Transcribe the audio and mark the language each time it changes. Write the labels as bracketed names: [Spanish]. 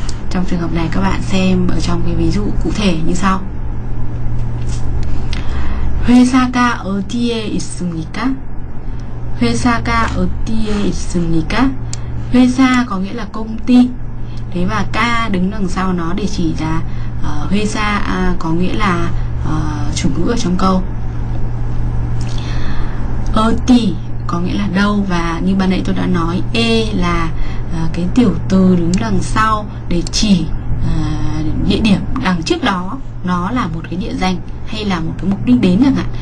[Vietnamese] Trong trường hợp này các bạn xem ở trong cái ví dụ cụ thể như sau. [Korean] 회사가 어디에 있습니까? 회사가 어디에 있습니까? [Vietnamese] 회사 có nghĩa là công ty. Thế và ca đứng đằng sau nó để chỉ là 회사 có nghĩa là chủ ngữ ở trong câu. 어디 có nghĩa là đâu, và như ban nãy tôi đã nói, e là cái tiểu từ đứng đằng sau để chỉ địa điểm đằng trước đó, nó là một cái địa danh hay là một cái mục đích đến chẳng hạn.